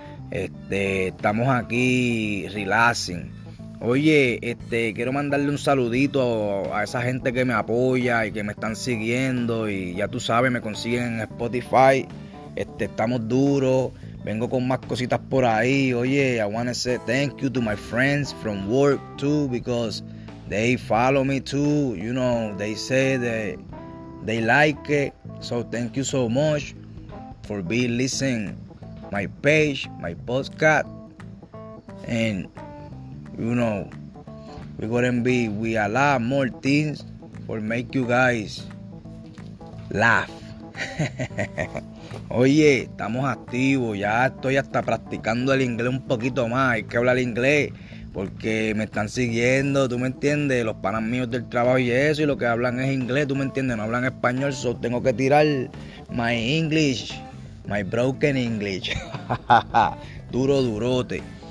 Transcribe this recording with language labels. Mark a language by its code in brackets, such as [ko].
[es] Estamos aquí relaxing. Oye, quiero mandarle un saludito a esa gente que me apoya y que me están siguiendo. Y ya tú sabes, me consiguen en Spotify. Estamos duros. Vengo con más cositas por ahí. [en] Oye, I want to say thank you to my friends from work too, because they follow me too. You know, they say they like it. So thank you so much for being listening my page, my podcast. And you know, we're gonna be with a lot more things for make you guys laugh. [es] Oye, estamos activos, ya estoy hasta practicando el inglés un poquito más. Hay que hablar inglés porque me están siguiendo, tú me entiendes, los panas míos del trabajo y eso, y lo que hablan es inglés, tú me entiendes, no hablan español, so tengo que tirar [en] my English, my broken English. [es] Duro, durote.